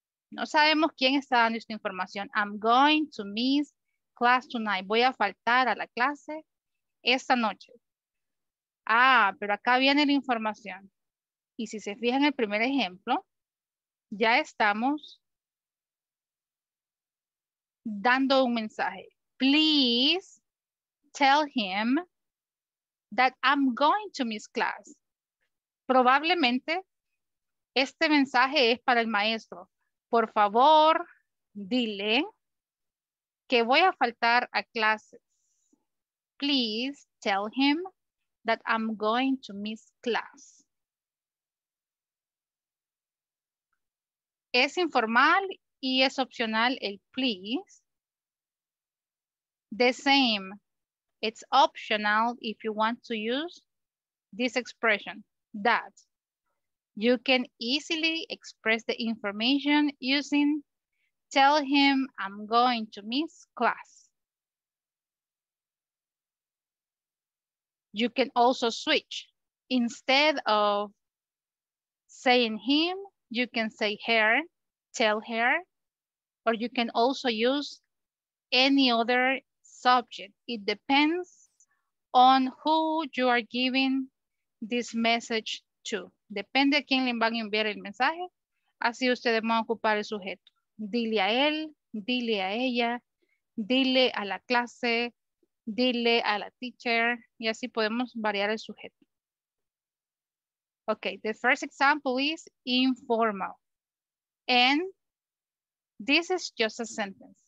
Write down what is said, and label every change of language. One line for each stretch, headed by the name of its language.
Spanish: No sabemos quién está dando esta información.
English: I'm going to miss class tonight.
Spanish: Voy a faltar a la clase esta noche. Ah, pero acá viene la información. Y si se fijan en el primer ejemplo, ya estamos dando un mensaje.
English: Please tell him that I'm going to miss class.
Spanish: Probablemente este mensaje es para el maestro. Por favor, dile que voy a faltar a clases.
English: Please tell him that I'm going to miss class.
Spanish: Es informal y es opcional el please.
English: The same. It's optional if you want to use this expression, that. You can easily express the information using tell him I'm going to miss class. You can also switch. Instead of saying him, you can say her, tell her, or you can also use any other subject. It depends on who you are giving this message to.
Spanish: Depende a quién le van a enviar el mensaje, así ustedes van a ocupar el sujeto. Dile a él, dile a ella, dile a la clase, dile a la teacher, y así podemos variar el sujeto.
English: Okay, the first example is informal. And this is just a sentence.